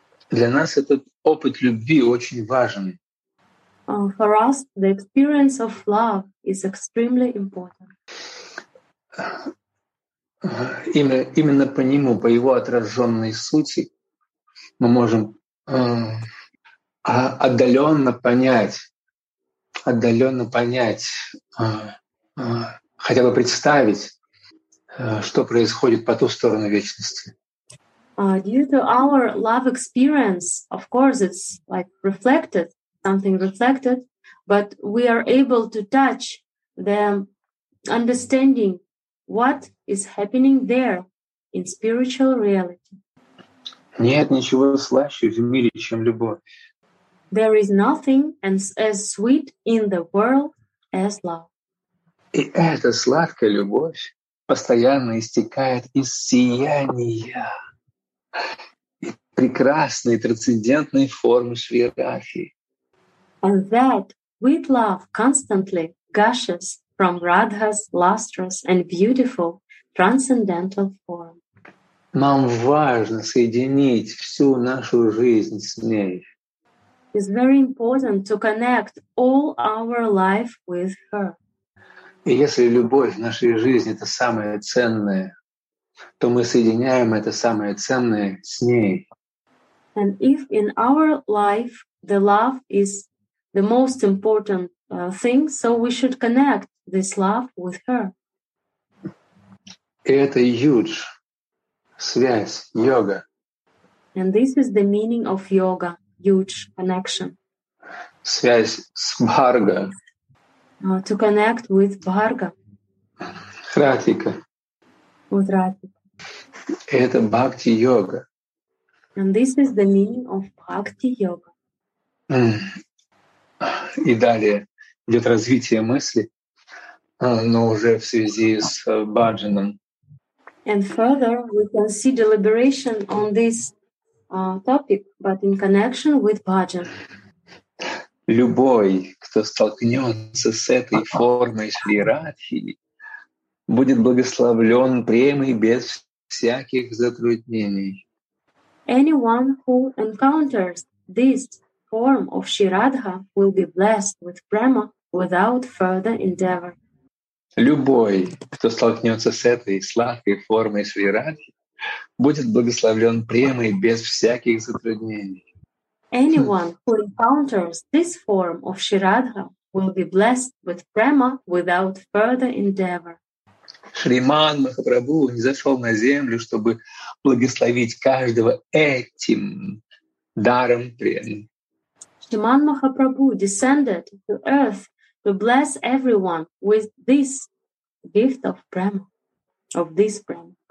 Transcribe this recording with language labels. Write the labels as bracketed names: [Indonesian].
[Russian] Для нас этот опыт любви очень важен. [English] For us, the experience of love is extremely important. [Russian] Именно по нему, по его отраженной сути, мы можем отдаленно понять, хотя бы представить, что происходит по ту сторону вечности. [English] Due to our love experience, of course, it's like reflected, something reflected, but we are able to touch the understanding what is happening there in spiritual reality. [Russian] Нет ничего слаще в мире, чем любовь. [English] There is nothing as sweet in the world as love. [Russian] И эта сладкая любовь постоянно истекает из сияния прекрасной трансцендентной формы Шри Радхи. [English] And that sweet love constantly gushes from Radha's lustrous and beautiful transcendental form. [Russian] Нам важно соединить всю нашу жизнь с ней. [English] It's very important to connect all our life with her. [Russian] И если любовь в нашей жизни это самое ценное, то мы соединяем это самое ценное с ней. [English] And if in our life the love is the most important thing, so we should connect this love with her. [Russian] И это [English] huge [Russian] связь, йога. [English] And this is the meaning of yoga, huge connection. [Russian] Связь с Бхарга. [English] To connect with Бхарга. [Russian] Радхика. [English] With Радхика. [Russian] Это бхакти-йога. [English] And this is the meaning of бхакти-йога. [Russian] И далее идет развитие мысли, но уже в связи с бхаджаном. [English] And further, we can see deliberation on this topic, but in connection with bhajan. [Russian] Любой, кто столкнется с этой формой Шри Радхи, будет благословлен премой без всяких затруднений. [English] Anyone who encounters this form of Shri Radha will be blessed with prema without further endeavor. [Russian] Любой, кто столкнется с этой сладкой формой Шри Радхи, будет благословлен премой без всяких затруднений. [English] Anyone who encounters this form of Shri Radha will be blessed with prema without further endeavor. [Russian] Шриман Махапрабху не зашел на землю, чтобы благословить каждого этим даром премы. [English] Шриман Махапрабху descended to earth to bless everyone with this gift of prema, of this prema.